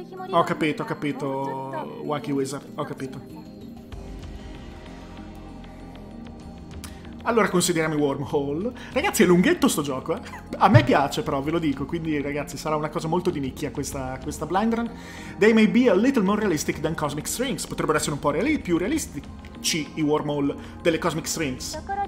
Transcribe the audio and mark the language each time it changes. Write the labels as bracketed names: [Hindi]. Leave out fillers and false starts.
[Italian] Ho capito, Wacky Wizard, ho capito. Allora consideriamo i wormhole. Ragazzi, è lunghetto sto gioco, eh? A me piace però, ve lo dico, quindi ragazzi, sarà una cosa molto di nicchia questa blind run. [English] They may be a little more realistic than cosmic strings. [Italian] Potrebbero essere un po' più realistici i wormhole delle cosmic strings.